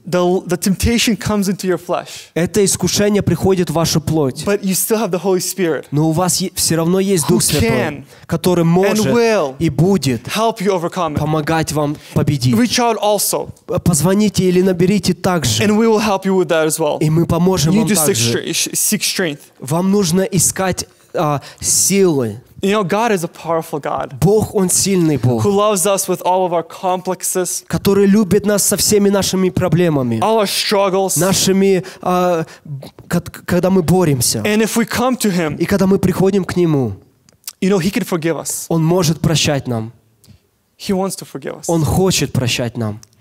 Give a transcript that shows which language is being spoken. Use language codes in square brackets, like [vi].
[en] The temptation comes into your flesh. [ru] Это искушение приходит в вашу плоть. [en] But you still have the Holy Spirit. [ru] Но у вас все равно есть Дух Святой, [en] can, [ru] который может и будет [en] help you overcome it. [ru] Помогать вам победить. [en] Reach out also. [ru] Позвоните или наберите также. [en] And we will help you with that as well. [ru] И мы поможем [en] you [ru] вам также. [en] Seek strength. [ru] Вам нужно искать силы. [en] You know, God is a powerful God. [ru] Бог, Он сильный Бог. [en] Who loves us with all of our complexes. [ru] Который любит нас со всеми нашими проблемами. [en] All our struggles. [ru] Нашими, когда мы боремся. [en] And if we come to Him. [ru] И когда мы приходим к Нему. [en] You know, He can forgive us. [ru] Он может прощать нам. [en] He wants to forgive us. [ru] Он хочет прощать нам.